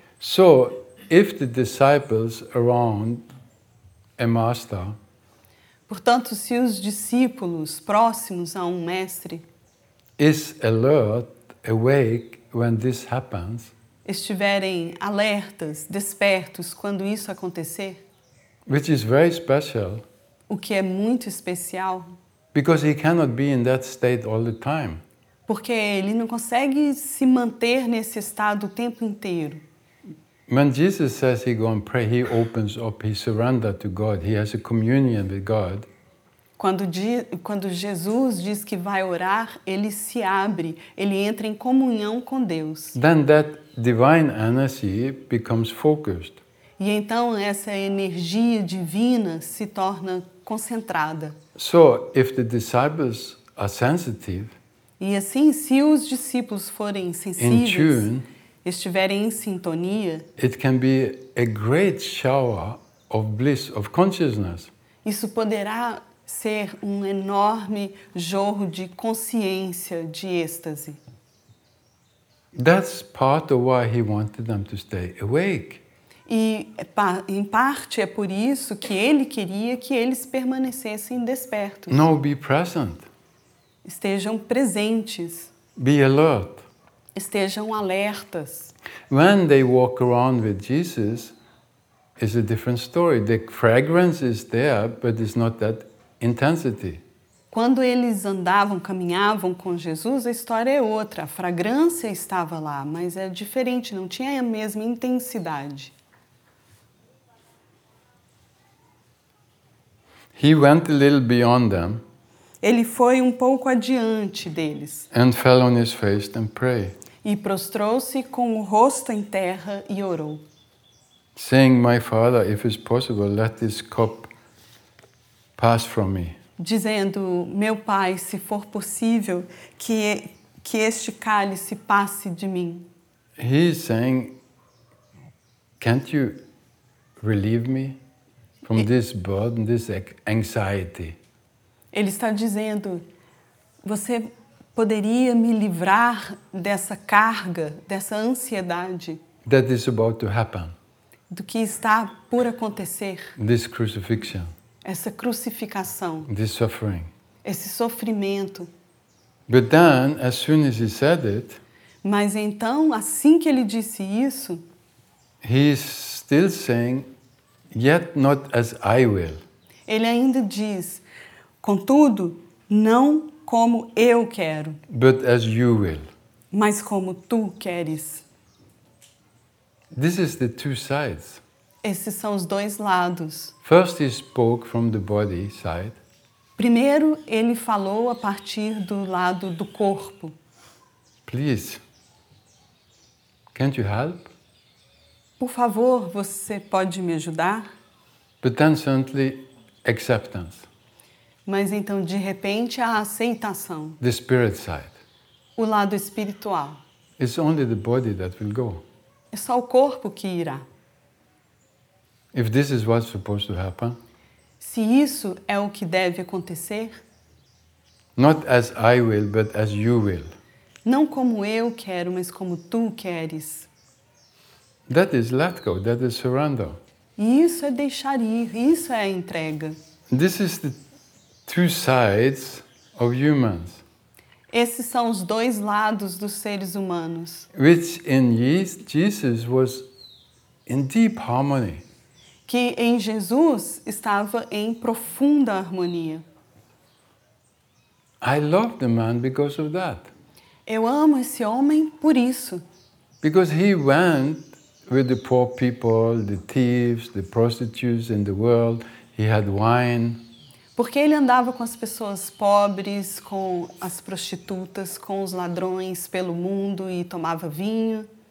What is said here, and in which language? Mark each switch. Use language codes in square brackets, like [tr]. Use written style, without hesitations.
[en] So, if the disciples around a master. [pt] Portanto, se os discípulos próximos a um mestre [en] is alert, awake when this happens, [pt] estiverem alertas, despertos quando isso acontecer, [en] which is very special, [pt] o que é muito especial, [en] because he cannot be in that state all the time, [pt] porque ele não consegue se manter nesse estado o tempo inteiro. [en] When Jesus says he goes and pray, he opens up, he surrenders to God, he has a communion with God. [pt] Quando Jesus diz que vai orar, ele se abre, ele entra em comunhão com Deus. [en] Then that divine energy becomes focused. [pt] E então essa energia divina se torna concentrada. [en] So, if the disciples are sensitive, [pt] e assim, se os discípulos forem sensíveis, estiverem em sintonia, [en] it can be a great shower of bliss, of consciousness. [pt] Isso poderá ser um enorme jorro de consciência, de êxtase. [en] That's part of why he wanted them to stay awake. [pt] E, em parte, é por isso que ele queria que eles permanecessem despertos. [en] Now be present. [pt] Estejam presentes. [en] Be alert. [pt] Estejam alertas. [en] When they walk around with Jesus, it's a different story. The fragrance is there, but it's not that intensity. [pt] Quando eles andavam, caminhavam com Jesus, a história é outra. A fragrância estava lá, mas é diferente, não tinha a mesma intensidade. [en] He went a little beyond them. [pt] Ele foi um pouco adiante deles. [en] And fell on his face and prayed. [pt] E prostrou-se com o rosto em terra e orou. [en] Saying, "My Father, if it's possible, let this cup pass from me." [pt] Dizendo, meu pai, se for possível, que este cálice passe de mim. [en] He is saying, "Can't you relieve me from this burden, this anxiety?" [pt] Ele está dizendo, você poderia me livrar dessa carga, dessa ansiedade? [en] That is about to happen. [pt] Do que está por acontecer? [en] This crucifixion. [pt] Essa crucificação. [en] This suffering. [pt] Esse sofrimento. [en] But then, as soon as he said it, [pt] mas então, assim que ele disse isso, [en] he is still saying, yet not as I will. [pt] Ele ainda diz, contudo, não como eu quero. [en] But as you will. [pt] Mas como tu queres. [en] This is the two sides. [pt] Esses são os dois lados. [en] First he spoke from the body side. [pt] Primeiro ele falou a partir do lado do corpo. [en] Please. Can't you help? [pt] Por favor, você pode me ajudar? [en] But then suddenly, acceptance. [pt] Mas então, de repente, a aceitação. [en] The spirit side. [pt] O lado espiritual. [en] It's only the body that will go. [pt] É só o corpo que irá. [en] If this is what's supposed to happen. [pt] Se isso é o que deve acontecer. [en] Not as I will, but as you will. [pt] Não como eu quero, mas como tu queres. [en] That is let go, that is surrender. [pt] Isso é deixar ir, isso é a entrega. [en] This is the two sides of humans. [pt] Esses são os dois lados dos seres humanos. [en] Which in Jesus was in deep harmony. [pt] Que em Jesus estava em profunda harmonia. [en] I love the man because of that. [pt] Eu amo esse homem por isso. [en] Because he went with the poor people, the thieves, the prostitutes in the world. He had wine. [pt] Porque ele andava com as pessoas pobres, com as prostitutas, com os ladrões pelo mundo e tomava vinho.